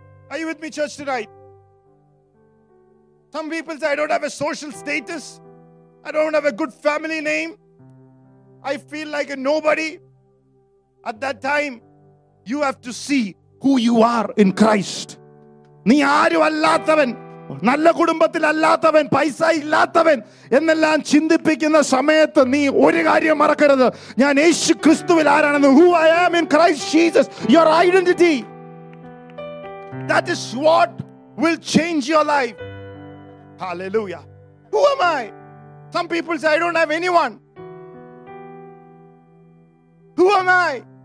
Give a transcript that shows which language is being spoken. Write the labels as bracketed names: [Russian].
[English] Are you with me, church, tonight? Some people say, I don't have a social status. I don't have a good family name. I feel like a nobody. At that time, you have to see who you are in Christ. [Malayalam] നീ ആരും അല്ലാത്തവൻ, നല്ല കുടുംബത്തിൽ അല്ലാത്തവൻ, പൈസ ഇല്ലാത്തവൻ എന്നെല്ലാം ചിന്തിപ്പിക്കുന്ന സമയത്ത് നീ ഒരു കാര്യം മറക്കരുത്, ഞാൻ യേശു ക്രിസ്തുവിൽ ആരാണെന്ന്. [English] Who I am in Christ Jesus, your identity. That is what will change your life. Hallelujah. Who am I? Some people say, I don't have anyone. Who am I?